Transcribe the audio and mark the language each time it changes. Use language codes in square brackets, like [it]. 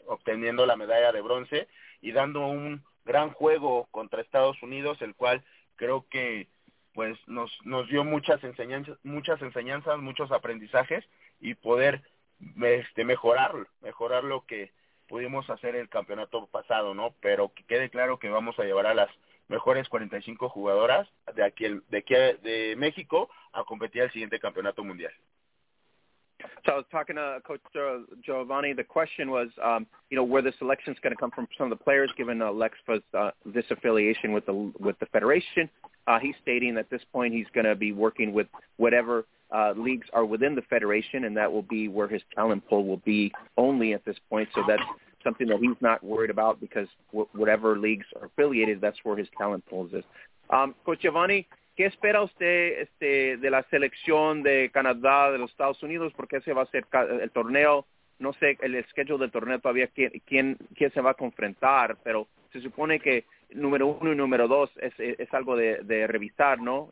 [es] Obteniendo la medalla de bronce y dando un gran juego contra Estados Unidos, el cual creo que pues nos dio muchas enseñanzas, muchos aprendizajes, y poder mejorar lo que pudimos hacer el campeonato pasado, ¿no? Pero que quede claro que vamos a llevar a las mejores 45 jugadoras de México a competir al siguiente campeonato mundial. [en] So I was talking to Coach Giovanni. The question was, where the selection's going to come from some of the players, given Lexfa's disaffiliation with the federation. He's stating that at this point he's going to be working with whatever leagues are within the federation, and that will be where his talent pool will be only at this point. So that's something that he's not worried about, because whatever leagues are affiliated, that's where his talent pool is. [es] Coach Giovanni, ¿qué espera usted de la selección de Canadá, de los Estados Unidos? ¿Por qué se va a hacer el torneo? No sé el schedule del torneo todavía, quién se va a enfrentar, pero se supone que número uno y número dos es algo de revisar, ¿no?